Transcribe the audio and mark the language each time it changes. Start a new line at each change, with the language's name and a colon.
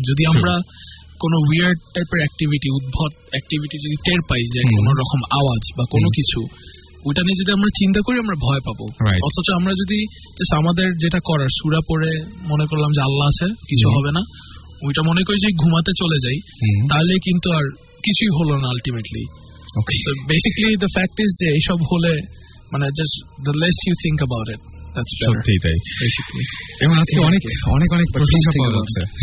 Bangla: যদি আমরা কোনো উইয়ার্ড টাইপের অ্যাক্টিভিটি, উদ্ভব অ্যাক্টিভিটি যদি টের পাই, যে কোন রকম আওয়াজ বা কোনো কিছু, ওইটা নিয়ে যদি আমরা চিন্তা করি আমরা ভয় পাবো। অথচ আমরা যদি আমাদের যেটা করার সুরা পড়ে মনে করলাম যে আল্লাহ আছে কিছু হবে না, ওইটা মনে করি যে ঘুমাতে চলে যাই, তাহলে কিন্তু আর কিছুই হলো না ultimately.
English: Okay. So basically the fact is
Bangla: যে এইসব হলে মানে
English: just the less you think about it, that's better.
Bangla: সত্যি তাই,
English: basically
Bangla: এমন আজকে অনেক অনেক অনেক প্রশংসা পাওয়া যাচ্ছে।